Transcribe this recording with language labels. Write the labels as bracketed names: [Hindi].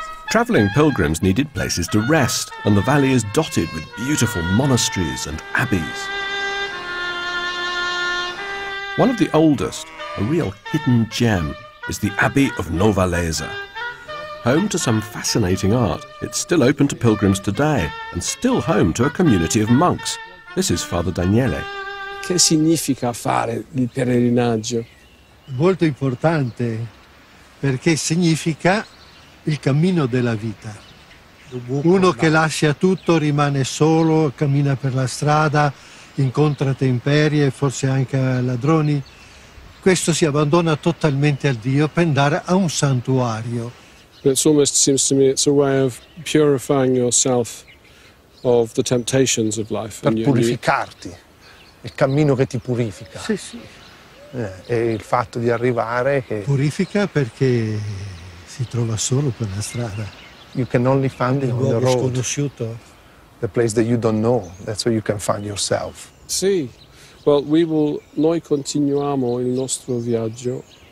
[English] Travelling pilgrims needed places to rest, and the valley is dotted with beautiful monasteries and abbeys. One of the oldest, a real hidden gem, is the Abbey of Novalesa. Home to some fascinating art, it's still open to pilgrims today, and still home to a community of monks. This is Father Daniele. [Italian] Che significa fare il peregrinaggio? Molto importante, perché significa il cammino della vita. Uno che lascia tutto, rimane solo, cammina per la strada, incontra temperie, forse anche ladroni. Questo si abbandona totalmente a Dio per andare a un santuario. [English] It almost seems to me it's a way of purifying yourself of the temptations of life. [Italian] Per purificarti, il cammino che ti purifica. Sì, sì. E il fatto di arrivare che purifica perché si trova solo per la strada. [English] You can only find it on the road. [Italian] Luogo sconosciuto. [English] The place that you don't know. That's where you can find yourself. [Italian] Sì. [English] Well, [Italian] noi continuiamo il nostro viaggio.